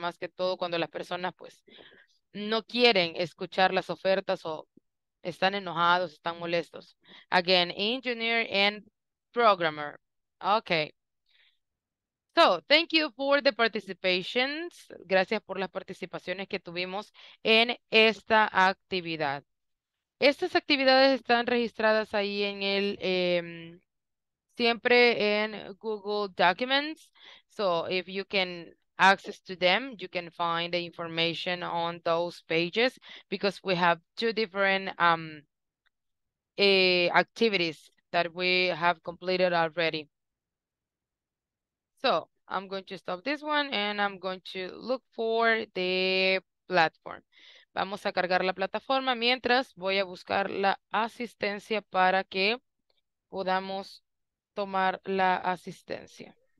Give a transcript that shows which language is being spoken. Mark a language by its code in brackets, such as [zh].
[es] Más que todo cuando las personas, pues, no quieren escuchar las ofertas o están enojados, están molestos. [en] Again, engineer and programmer. Okay. So, thank you for the participations. [es] Gracias por las participaciones que tuvimos en esta actividad. Estas actividades están registradas ahí en el... siempre en [en] Google Documents, so if you can access to them, you can find the information on those pages, because we have two different activities that we have completed already. So I'm going to stop this one, and I'm going to look for the platform. [es] Vamos a cargar la plataforma mientras voy a buscar la asistencia para que podamos tomar la asistencia.